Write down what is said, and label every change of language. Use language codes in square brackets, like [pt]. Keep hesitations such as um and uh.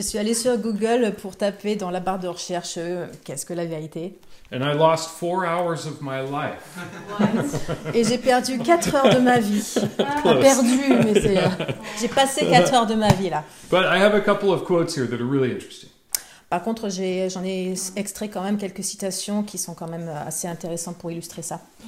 [fr] suis allée sur Google pour taper dans la barre de recherche qu'est-ce que la vérité [en] and I lost hours of my life. [fr] Et j'ai perdu 4 heures de ma vie pas perdu mais c'est j'ai passé 4 heures de ma vie là Mais j'ai [en] have a couple of quotes here that are really interesting [fr] par contre, j'en ai, ai, extrait quand même quelques citations qui sont quand même assez intéressantes pour illustrer ça.